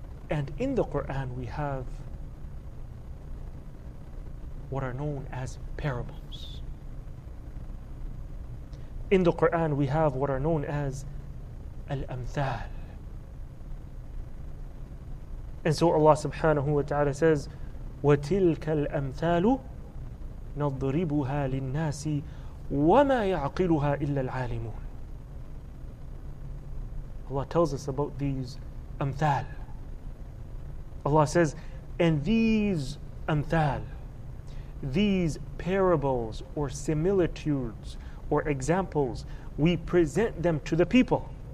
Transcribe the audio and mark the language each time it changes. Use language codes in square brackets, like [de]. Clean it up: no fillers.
[en] And in the Quran we have what are known as parables. In the Quran we have what are known as al-amthal. And so Allah subhanahu wa ta'ala says, [ar] وَتِلْكَ الْأَمْثَالُ نَضْرِبُهَا لِلنَّاسِ وَمَا يَعْقِلُهَا إِلَّا الْعَالِمُونَ. [en] Allah tells us about these amthal. Allah says, and these amthal, these parables or similitudes or examples, we present them to the people.